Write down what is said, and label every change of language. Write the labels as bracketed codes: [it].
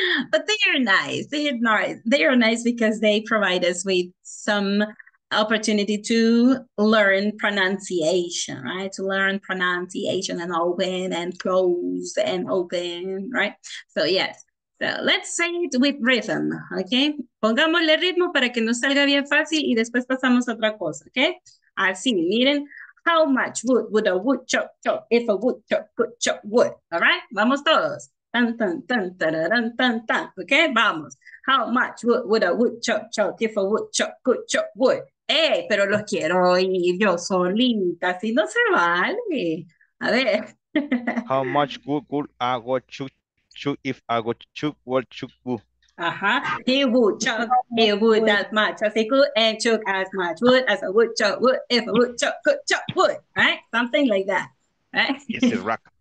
[en] but they are nice because they provide us with some opportunity to learn pronunciation, right? To learn pronunciation and open and close and open, right? So, yes. So, let's say it with rhythm, okay? [es] Pongámosle ritmo para que nos salga bien fácil y después pasamos a otra cosa, okay? Así, miren, [en] how much wood would a wood chop chop if a wood chop could chop wood, all right? [es] Vamos todos. [en] Tan, tan, tan, tararán, tan, tan, okay? [es] Vamos. [en] How much wood would a wood chop chop if a wood chop could chop wood? ¡Ey! [es] Pero los quiero oír yo solita, así no se vale. A ver. [en] How much good I would chuck if I would chuck would chuck wood. Ajá. He would chuck, he would as much as he could and chuck as much wood as a wood chuck wood if a wood chuck could chuck wood. Right? Something like that. Right? Yes, it's rock.